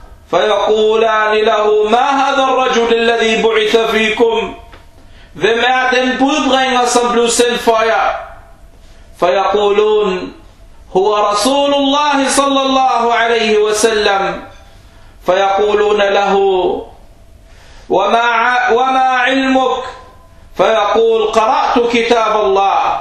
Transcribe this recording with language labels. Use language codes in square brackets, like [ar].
[ar] فيقولان له ما هذا الرجل الذي بعث فيكم. [da] Hvem er den budbringer, som blev sendt for jer? [ar] فيقولون هو رسول الله صلى الله عليه وسلم. فيقولون له وما علمك؟ فيقول قرأت كتاب الله.